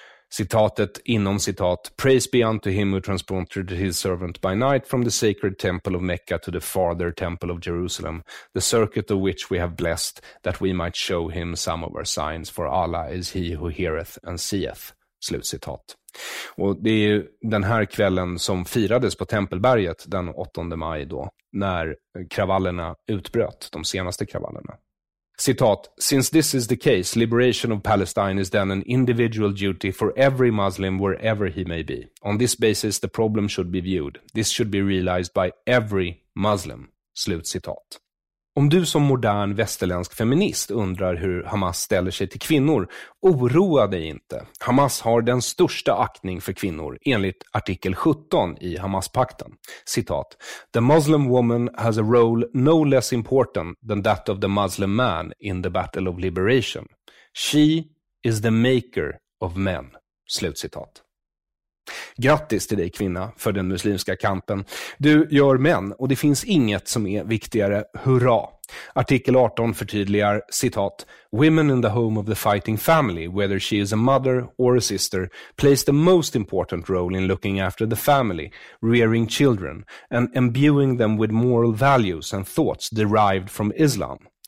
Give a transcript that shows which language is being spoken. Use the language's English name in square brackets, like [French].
[Swedish] Citatet inom citat, [English] praise be unto him who transported his servant by night from the sacred temple of Mecca to the farther temple of Jerusalem, the circuit of which we have blessed, that we might show him some of our signs, for Allah is he who heareth and seeth. [Swedish] Slut citat. Och det är ju den här kvällen som firades på Tempelberget den 8 maj då, när kravallerna utbröt, de senaste kravallerna. Citat, [English] since this is the case, liberation of Palestine is then an individual duty for every Muslim wherever he may be. On this basis, the problem should be viewed. This should be realized by every Muslim. [Swedish] Slut citat. Om du som modern västerländsk feminist undrar hur Hamas ställer sig till kvinnor, oroa dig inte. Hamas har den största aktning för kvinnor, enligt artikel 17 i Hamas-pakten. Citat, [English] the Muslim woman has a role no less important than that of the Muslim man in the battle of liberation. She is the maker of men. [Swedish] Slut citat. Grattis till dig kvinna för den muslimska kampen. Du gör män och det finns inget som är viktigare. Hurra! Artikel 18 förtydligar, citat, [English] women in the home of the fighting family, whether she is a mother or a sister, plays the most important role in looking after the family, rearing children and imbuing them with moral values and thoughts derived from Islam.